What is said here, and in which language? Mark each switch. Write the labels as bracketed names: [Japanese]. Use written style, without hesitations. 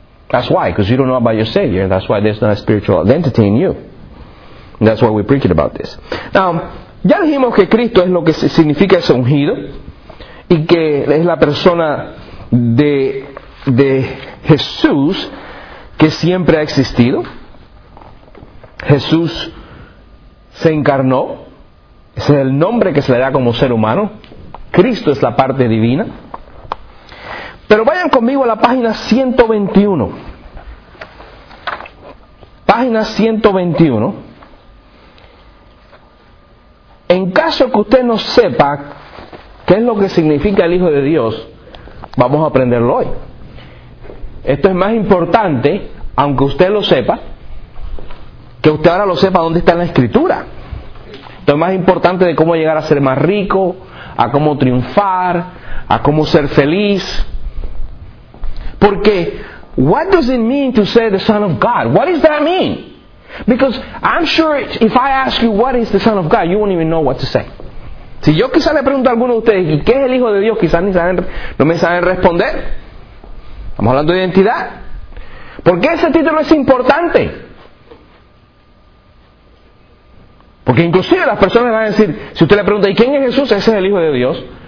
[English] That's why, because you don't know about your Savior. That's why there's not a spiritual identity in you. That's why we're preaching about this. [Spanish] Now, ya dijimos que Cristo es lo que significa ese ungido, y que es la persona de Jesús que siempre ha existido. Jesús se encarnó. Ese es el nombre que se le da como ser humano. Cristo es la parte divina. Pero vayan conmigo a la página 121. Página 121. En caso que usted no sepa qué es lo que significa el Hijo de Dios, vamos a aprenderlo hoy. Esto es más importante, aunque usted lo sepa, que usted ahora lo sepa dónde está en la Escritura. Esto es más importante de cómo llegar a ser más rico, a cómo triunfar, a cómo ser feliz. [English] Porque, what does it mean to say the Son of God? What does that mean? Because I'm sure if I ask you what is the Son of God, you won't even know what to say. [Spanish] Si yo quizás le pregunto a alguno de ustedes, ¿y qué es el Hijo de Dios? Quizás ni saben, no me saben responder. Estamos hablando de identidad. ¿Por qué ese título es importante? Porque inclusive las personas van a decir, si usted le pregunta, ¿y quién es Jesús? Ese es el Hijo de Dios.